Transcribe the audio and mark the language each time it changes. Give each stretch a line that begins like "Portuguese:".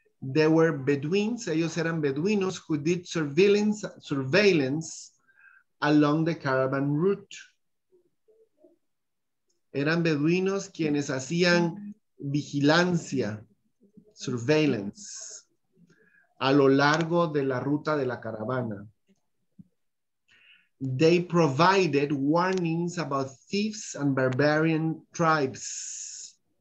English: There were Bedouins,
Spanish: ellos eran beduinos
English: who did surveillance along the caravan route.
Spanish: Eran beduinos quienes hacían vigilancia, surveillance, a lo largo de la ruta de la caravana.
English: They provided warnings about thieves and barbarian tribes.